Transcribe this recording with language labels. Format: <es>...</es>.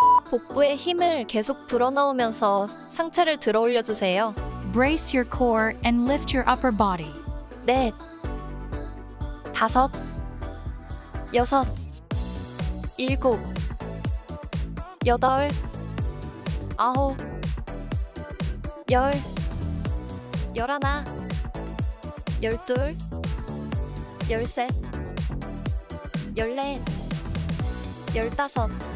<ko>복부에 힘을 계속 불어넣으면서 상체를 들어올려 주세요.</ko> <en>Brace your core and lift your upper body.</en> <ko>넷, 다섯, 여섯, 일곱, 여덟, 아홉, 열, 열하나, 열둘, 열셋, 열넷, 열다섯.</ko>